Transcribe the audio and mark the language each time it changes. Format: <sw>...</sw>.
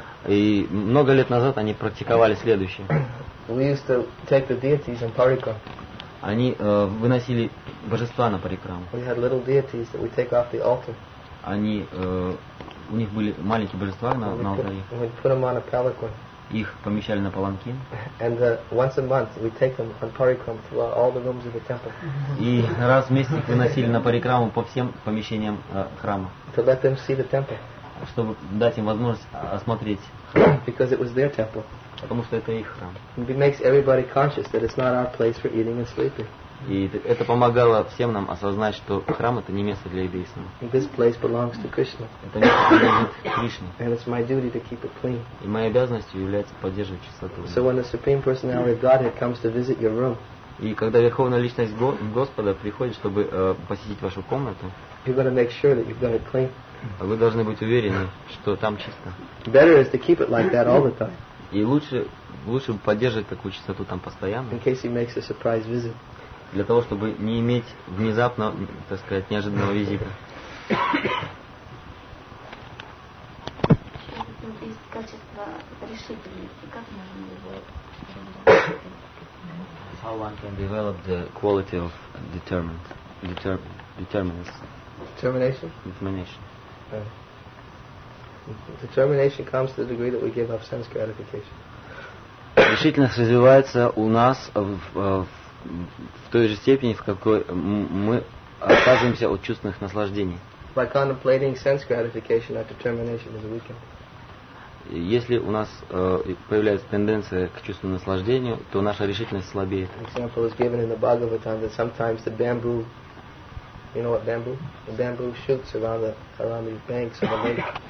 <ru>И много лет назад они практиковали следующее.</ru> <en>We used to take the deities in parikram.</en> <ru>Они выносили божества на парикраму.</ru> <en>We had little deities that we take off the altar.</en> <ru>Они у них были маленькие божества на алтаре.</ru> <en>We put them on a palanquin.</en> <ru>Их помещали на паланкин.</ru> <en>And once a month we take them on parikram throughout all the rooms of the temple.</en> <ru>И раз в месяц их выносили на парикраму по всем помещениям храма.</ru> <en>To let them see the temple.</en> <ru>Чтобы дать им возможность осмотреть храм.</ru> <en>Because it was their temple.</en> <ru>Потому что это их храм.</ru> <en>It makes everybody conscious that it's not our place for eating and sleeping.</en> <ru>И это помогало всем нам осознать, что храм — это не место для еды и сна.</ru> <en>This place belongs to Krishna.</en> <ru>Это место принадлежит Кришне.</ru> <en>And it's my duty to keep it clean.</en> <ru>И моей обязанностью является поддерживать чистоту.</ru> <en>So when the Supreme Personality of Godhead comes to visit your room.</en> <ru>И когда Верховная Личность Господа приходит, чтобы посетить вашу комнату,</ru> <en>you're going to make sure that you've got it clean.</en> <ru>Вы должны быть уверены, что там чисто.</ru> <en>Better is to keep it like that all the time.</en> <ru>И лучше поддерживать такую чистоту там постоянно.</ru> <en>In case he makes a surprise visit.</en> <ru>Для того, чтобы не иметь внезапно, так сказать, неожиданного визита. Есть качество решительности. Как можно его</ru> <en>how one can develop the quality of determination. Right. Determination comes to the degree that we give up sense gratification.</en> <ru>Решительность развивается у нас в той же степени, в какой мы отказываемся от чувственных наслаждений.</ru> <en>By contemplating sense gratification, our determination is weakened.</en> <ru>Если у нас появляется тенденция к чувственному наслаждению, то наша решительность слабеет.</ru> <en>Example is given in the Bhagavatam that sometimes the bamboo, you know what bamboo? The bamboo shoots around the banks of the lake.</en>